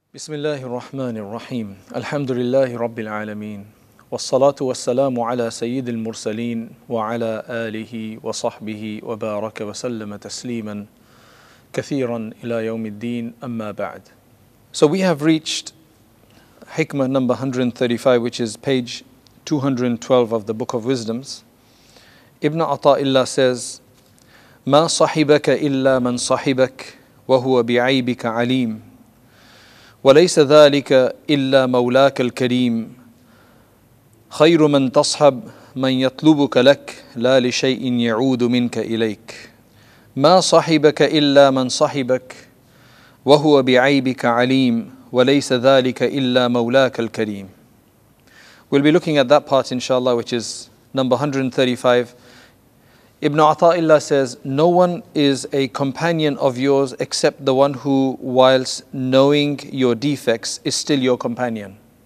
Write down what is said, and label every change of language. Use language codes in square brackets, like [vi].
[ar] بسم الله الرحمن الرحيم الحمد لله رب العالمين والصلاة والسلام على سيد المرسلين وعلى آله وصحبه وبارك وسلم تسليما كثيرا إلى يوم الدين أما بعد. [en] So we have reached Hikmah number 135, which is page 212 of the Book of Wisdoms. Ibn Ata'illah says, [ar] ما صحبك إلا من صحبك وهو بعيبك عليم وليس ذلك إلا مولاك الكريم خير من تصحب من يطلبك لك لا لشيء يعود منك إليك ما صحبك إلا من صحبك وهو بعيبك عليم وليس ذلك إلا مولاك الكريم. [en] We'll be looking at that part inshallah, which is number 135. Ibn Ata'illah says, no one is a companion of yours except the one who, whilst knowing your defects, is still your companion.